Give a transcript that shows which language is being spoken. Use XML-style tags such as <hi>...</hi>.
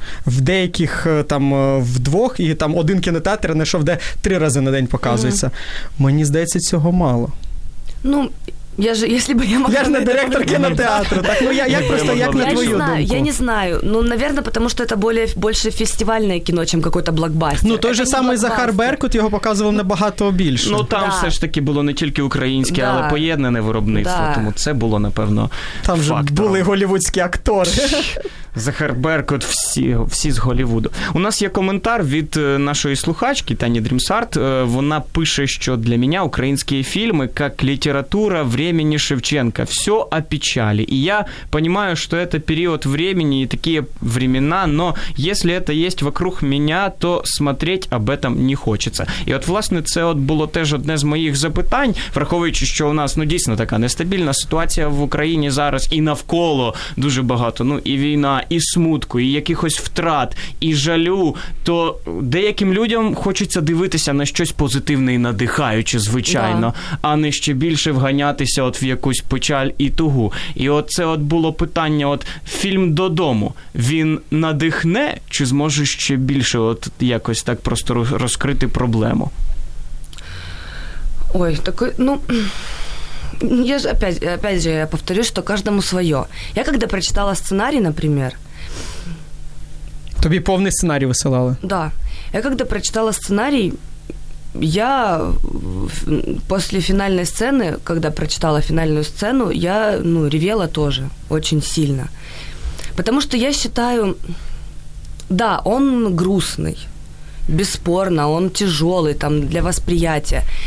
<uk>В деяких там вдвох, і там один кінотеатр знайшов, де три рази на день показується. Мені здається, цього мало.</uk> <ru>Ну... Я же, если бы я могла... Я же не директор кинотеатра, так?</ru> <uk>Ну, я просто, як на твою думку?</uk> <ru>Я не знаю. Ну, наверное, потому что это больше фестивальное кино, чем какой-то блокбастер.</ru> <uk>Ну, той же самый Захар Беркут, його показував набагато більше. Ну, там все ж таки було не тільки українське, але поєднане виробництво, тому це було, напевно, фактом. Там же були голівудські актори. Захар Беркут, всі з Голівуду. У нас є коментар від нашої слухачки Тані Дрімсарт. Вона пише, що для мене українські фільми, як література времени Шевченка.</uk> <ru>Все о печали. И я понимаю, что это период времени и такие времена, но если это есть вокруг меня, то смотреть об этом не хочется.</ru> <uk>И вот, власне, це от було теж одне з моїх запитань, враховуючи, що у нас, ну, дійсно така нестабільна ситуація в Україні зараз і навколо дуже багато, ну, і війна, і смутку, і якихось втрат, і жалю, то деяким людям хочеться дивитися на щось позитивне і надихаюче, звичайно, а не ще більше вганяти от в якусь печаль і тугу. І от це от було питання, от фільм «Додому», він надихне, чи зможе ще більше от якось так просто розкрити проблему?</uk> <ru>Ой, такой, ну...</ru> <uk>Я ж</uk> <ru>опять же, я повторюсь,</ru> <uk>що кожному своє. Я коли прочитала сценарій, наприклад... Тобі повний сценарій висилали?</uk> <ru>Да.</ru> <uk>Я коли прочитала сценарій...</uk> <ru>Я после финальной сцены, когда прочитала финальную сцену, я, ну, ревела тоже очень сильно. Потому что я считаю, да, он грустный, бесспорно, он тяжелый там для восприятия.</ru>